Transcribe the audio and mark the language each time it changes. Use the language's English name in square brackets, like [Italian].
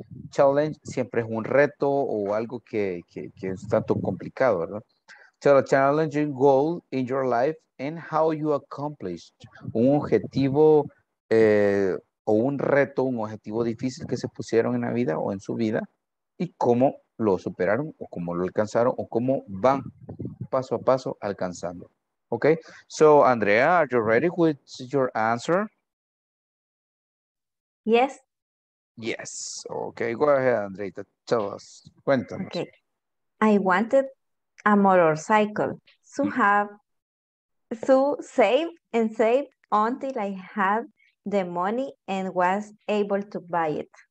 [Spanish] Challenge siempre es un reto o algo que es tanto complicado, ¿verdad? [English] Tell a challenging goal in your life and how you accomplished. [Spanish] Un objetivo o un reto, un objetivo difícil que se pusieron en la vida o en su vida y cómo lo superaron o cómo lo alcanzaron o cómo van paso a paso alcanzando. [English] Okay, so Andrea, are you ready with your answer? Yes. Yes. Okay, go ahead, Andreita. Tell us. [Spanish] Cuéntanos. [English] Okay. I wanted a motorcycle to have to save and save until I had the money and was able to buy it.